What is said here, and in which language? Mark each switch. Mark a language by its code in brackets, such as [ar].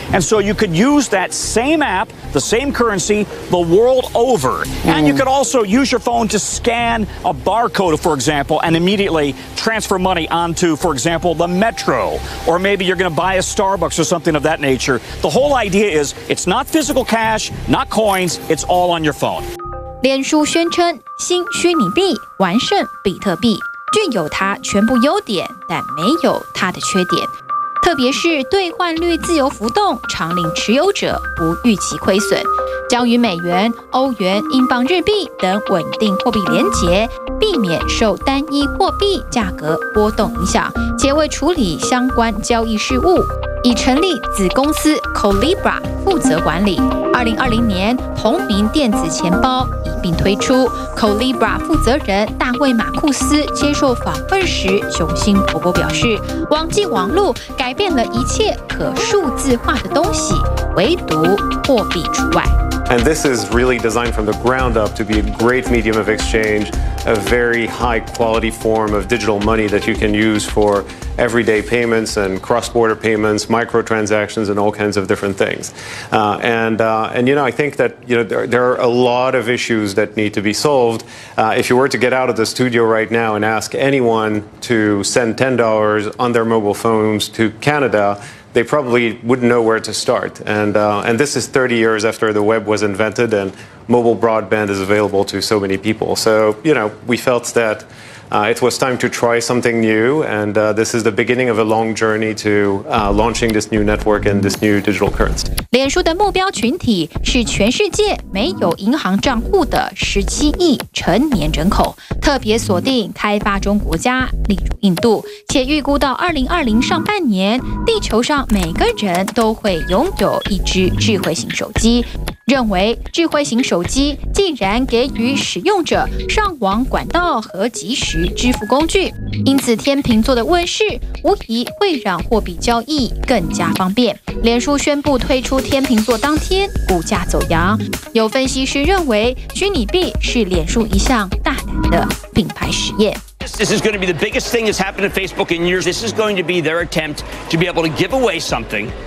[en] And so you could use that same app, the same currency, the world over. And you could also use your phone to scan a barcode, for example, and immediately transfer money onto, for example, the metro. Or maybe you're going to buy a Starbucks or something of that nature. The whole idea is it's not physical cash, not coins. It's all on your phone. [zh] 脸书宣称新虚拟币完胜比特币，具有它全部优点，但没有它的缺点，特别是兑换率自由浮动，常令持有者不预期亏损，将与美元、欧元、英镑、日币等稳定货币连结，避免受单一货币价格波动影响，且为处理相关交易事务，已成立子公司 Colibra 负责管理。 2020年同名电子钱包一并推出。 Colibra 负责人大卫马库斯接受访问时雄心勃勃表示，网际网路改变了一切可数字化的东西，唯独货币除外。 [en] And this is really designed from the ground up to be a great medium of exchange, a very high quality form of digital money that you can use for everyday payments and cross-border payments, microtransactions, and all kinds of different things. I think that you know, there are a lot of issues that need to be solved. If you were to get out of the studio right now and ask anyone to send $10 on their mobile phones to Canada,They probably wouldn't know where to start. And this is 30 years after the web was invented and mobile broadband is available to so many people. So, you know, we felt that it was time to try something new. And this is the beginning of a long journey to launching this new network and this new digital currency. [zh] 脸书的目标群体是全世界没有银行账户的17亿成年人口，特别锁定开发中国家，例如印度，且预估到2020上半年，地球上每个人都会拥有一只智慧型手机。认为智慧型手机既然给予使用者上网管道和及时支付工具，因此天秤座的问世无疑会让货币交易更加方便。脸书宣布推出天秤座当天，股价走扬。有分析师认为，虚拟币是脸书一项大胆的品牌实验。 [en] This is going to be the biggest thing that's happened to Facebook in years. This is going to be their attempt to be able to give away something.